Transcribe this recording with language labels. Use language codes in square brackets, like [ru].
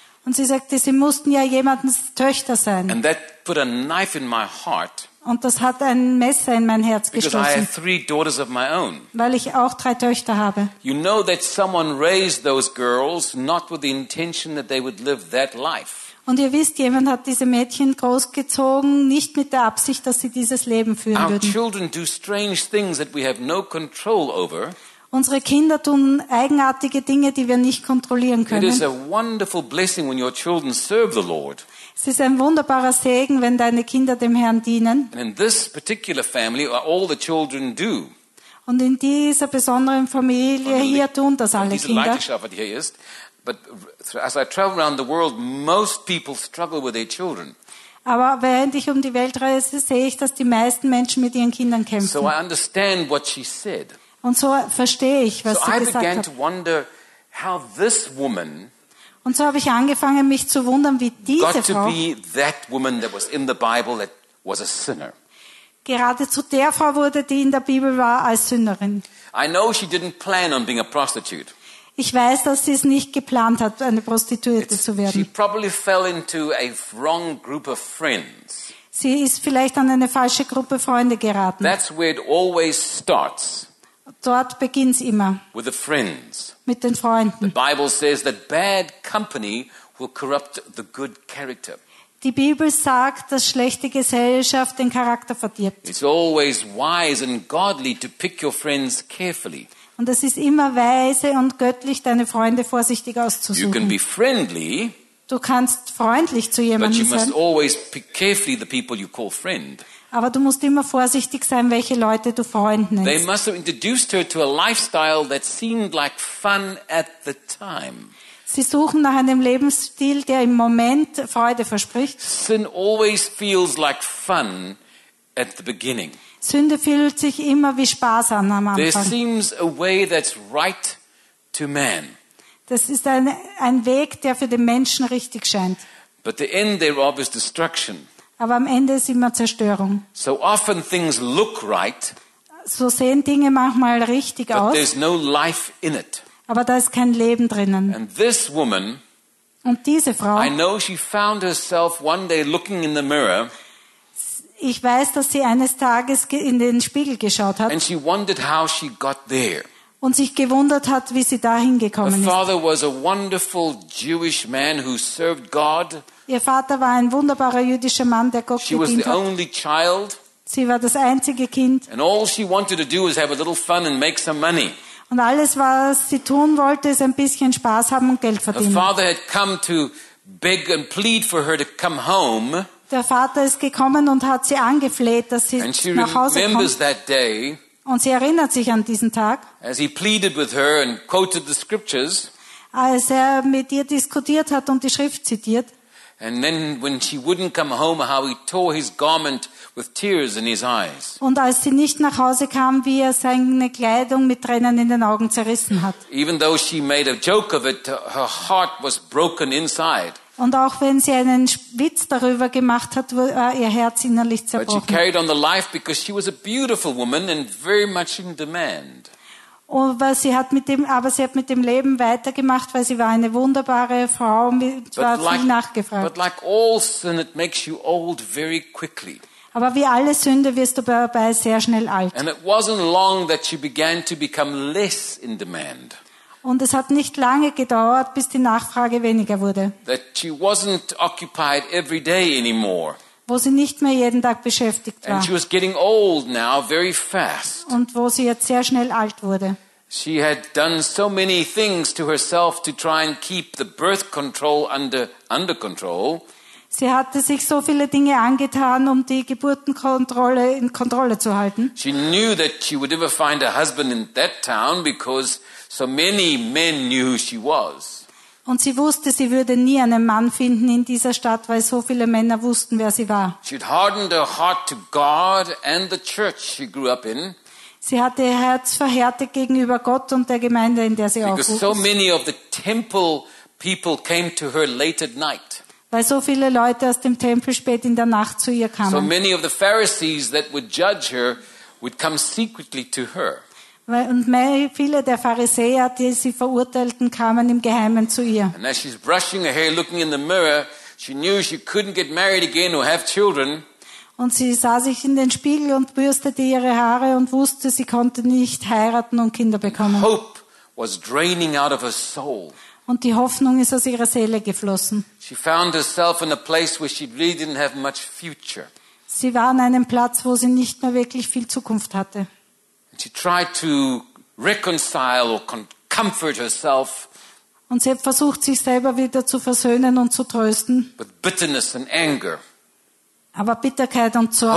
[de] Und sie sagte, sie mussten ja jemandens Töchter sein. [en] And that put a knife in my heart. [de] Und das hat ein Messer in mein Herz [en] because [de] gestoßen. [en] I have three daughters of my own. [de] Weil ich auch drei Töchter habe. [en] You know that someone raised those girls not with the intention that they would live that life. [de] Und ihr wisst, jemand hat diese Mädchen großgezogen, nicht mit der Absicht, dass sie dieses Leben führen würden. [en] Our children do strange things that we have no control over. [de] Unsere Kinder tun eigenartige Dinge, die wir nicht kontrollieren können. [en] It is a wonderful blessing when your children serve the Lord. [de] Es ist ein wunderbarer Segen, wenn deine Kinder dem Herrn dienen. [en] And in this particular family, all the children do. [de] Und in dieser besonderen Familie hier tun das alle Kinder. [en] But as I travel around the world, most people struggle with their children. [de] Aber während ich die Welt reise, sehe ich, dass die meisten Menschen mit ihren Kindern kämpfen. [en] So I understand what she said. [de] Und so verstehe ich, was sie gesagt hat. [en] So I began to wonder how this woman. [de] Und so habe ich angefangen, mich zu wundern, wie diese Frau. [en] Got to be that woman that was in the Bible that was a sinner. [de] Gerade zu der Frau wurde, die in der Bibel war, als Sünderin. [en] I know she didn't plan on being a prostitute. [de] Ich weiß, dass sie es nicht geplant hat, eine Prostituierte zu werden. [en] She probably fell into a wrong group of friends. [de] Sie ist vielleicht an eine falsche Gruppe Freunde geraten. [en] That's where it always starts. [de] Dort beginnt es immer. [en] With the friends. [de] Mit den Freunden. [en] The Bible says that bad company will corrupt the good character. [de] Die Bibel sagt, dass schlechte Gesellschaft den Charakter verdirbt. [en] It's always wise and godly to pick your friends carefully. [de] Und es ist immer weise und göttlich, deine Freunde vorsichtig auszusuchen. [en] You can be friendly. [de] Du kannst freundlich zu jemandem sein. [en] But you must always pick carefully the people you call friend. [de] Aber du musst immer vorsichtig sein, welche Leute du Freund nennst. [en] They must have introduced her to a lifestyle that seemed like fun at the time. [de] Sie suchen nach einem Lebensstil, der im Moment Freude verspricht. [en] Sin always feels like fun at the beginning. [de] Sünde fühlt sich immer wie Spaß an am Anfang. [en] There seems a way that's right to man. [de] Das ist ein Weg, der für den Menschen richtig scheint. [en] But the end thereof is destruction. [de] Aber am Ende ist immer Zerstörung. [en] So often things look right. [de] So sehen Dinge manchmal richtig [en] but [de] aus. [en] But there's no life in it. [de] Aber da ist kein Leben drinnen. [en] And this woman, [de] und diese Frau, [en] I know she found herself one day looking in the mirror. [de] Ich weiß, dass sie eines Tages in den Spiegel geschaut hat. [en] And she wondered how she got there. [de] Und sich gewundert hat, wie sie dahin gekommen ist. [en] Her father was a wonderful Jewish man who served God. [de] Ihr Vater war ein wunderbarer jüdischer Mann, der Gott gedient [en] She was the only child. [de] Sie war das einzige Kind. [en] And all she wanted to do was have a little fun and make some money. [de] Und alles, was sie tun wollte, ist ein bisschen Spaß haben und Geld verdienen. [en] Her father had come to beg and plead for her to come home. [de] Der Vater ist gekommen und hat sie angefleht, dass sie [en] and [de] nach Hause kommt. [en] Remembers that day, [de] und sie erinnert sich an diesen Tag. [en] As he pleaded with her and quoted the scriptures. [de] Als er mit ihr diskutiert hat und die Schrift zitiert. [en] And then when she wouldn't come home, how he tore his garment with tears in his eyes. [de] Und als sie nicht nach Hause kam, wie er seine Kleidung mit Tränen in den Augen zerrissen hat. [en] Even though she made a joke of it, her heart was broken inside. [de] Und auch wenn sie einen Witz darüber gemacht hat, war ihr Herz innerlich zerbrochen. [en] But she carried on the life because she was a beautiful woman and very much in demand. [de] Aber sie hat mit dem Leben weitergemacht, weil sie war eine wunderbare Frau und war viel nachgefragt. [en] But like all sin, it makes you old very quickly. [de] Aber wie alle Sünde wirst du dabei sehr schnell alt. [en] And it wasn't long that she began to become less in demand. [de] Und es hat nicht lange gedauert, bis die Nachfrage weniger wurde. [en] That she wasn't occupied every day anymore. [de] Wo sie nicht mehr jeden Tag beschäftigt war. [en] And she was getting old now, very fast. [de] Und wo sie jetzt sehr schnell alt wurde. [en] She had done so many things to herself to try and keep the birth control under control. [de] Sie hatte sich so viele Dinge angetan, um die Geburtenkontrolle in Kontrolle zu halten. [en] She knew that she would never find a husband in that town because so many men knew who she was. [de] Und sie wusste, sie würde nie einen Mann finden in dieser Stadt, weil so viele Männer wussten, wer sie war. [en] She'd hardened her heart to God and the church she grew up in. [de] Sie hatte ihr Herz verhärtet gegenüber Gott und der Gemeinde, in der sie aufwuchs. [en] Because so many of the temple people came to her late at night. [de] Weil so viele Leute aus dem Tempel spät in der Nacht zu ihr kamen. [en] So many of the Pharisees that would judge her would come secretly to her. [de] Und viele der Pharisäer, die sie verurteilten, kamen im Geheimen zu ihr. [en] And as she's brushing her hair, looking in the mirror, she knew she couldn't get married again or have children. [de] Und sie sah sich in den Spiegel und bürstete ihre Haare und wusste, sie konnte nicht heiraten und Kinder bekommen. [en] And hope was draining out of her soul. [de] Und die Hoffnung ist aus ihrer Seele geflossen. [en] She found herself in a place where she really didn't have much future. [de] Sie war an einem Platz, wo sie nicht mehr wirklich viel Zukunft hatte. [en] She tried to reconcile or comfort herself. [de] Und sie hat versucht, sich selber wieder zu versöhnen und zu trösten. [en] With bitterness and anger. [de] Aber Bitterkeit und Zorn.